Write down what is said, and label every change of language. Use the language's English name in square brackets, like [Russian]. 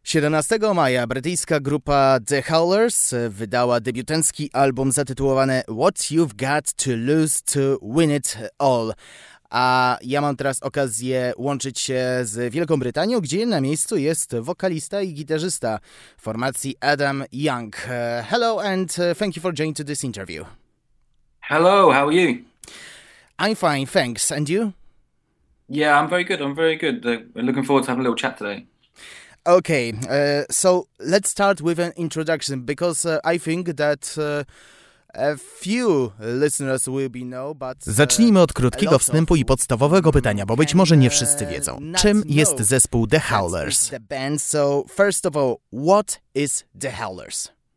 [Polish] 17 maja brytyjska grupa The Howlers wydała debiutancki album zatytułowany What You've Got to Lose to Win It All. A ja mam teraz okazję łączyć się z Wielką Brytanią, gdzie na miejscu jest wokalista i gitarzysta formacji Adam Young. [English] Hello and thank you for joining to this interview. Hello, how are you? I'm fine, thanks. And you? Yeah, I'm very good. Looking forward to having a little chat today. Okay, so let's start with an introduction, because I think that a few listeners will be know, but... [Polish] Zacznijmy od krótkiego wstępu i podstawowego pytania, bo być może nie wszyscy wiedzą. Czym jest zespół The Howlers? [English] The band. So first of all, what is The Howlers?